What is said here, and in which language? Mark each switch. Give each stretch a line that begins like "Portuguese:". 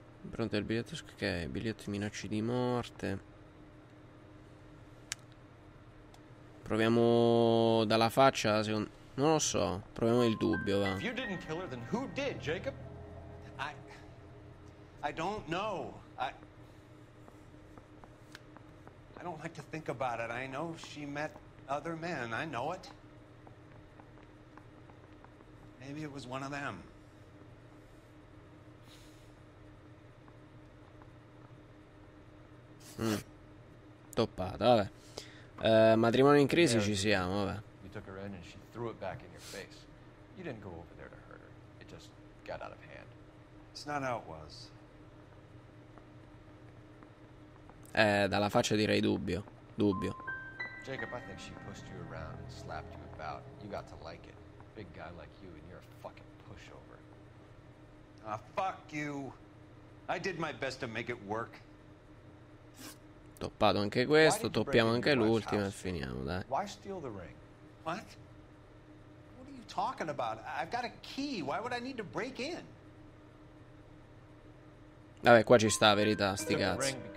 Italian: Pronto il biglietto, ok, biglietto di minacci di morte. Proviamo dalla faccia, secondo, non lo so, proviamo il dubbio, va.
English: If you didn't kill her, then who did, Jacob? I don't know. I don't like to think about it. I know she met other men. I know it. Maybe it was one of them.
Italian: Toppata, vabbè. Matrimonio in crisi, ci siamo, vabbè.
English: You took her in and she threw it back in your face. You didn't go over there to hurt her. It just got out of hand. It's not how it was.
Italian: Dalla faccia direi dubbio. Dubbio.
English: Jacob, I think she pushed you around and slapped you about. You got to like it. Big guy like you and you're a fucking pushover. Ah, fuck you. I did my best to make it work.
Italian: Toppato anche questo, toppiamo anche l'ultimo e finiamo, dai.
English: Why steal the ring? What? What are you talking about? I've got a key. Why would I need to break in?
Italian: Vabbè, qua ci sta la verità, sti cazzi.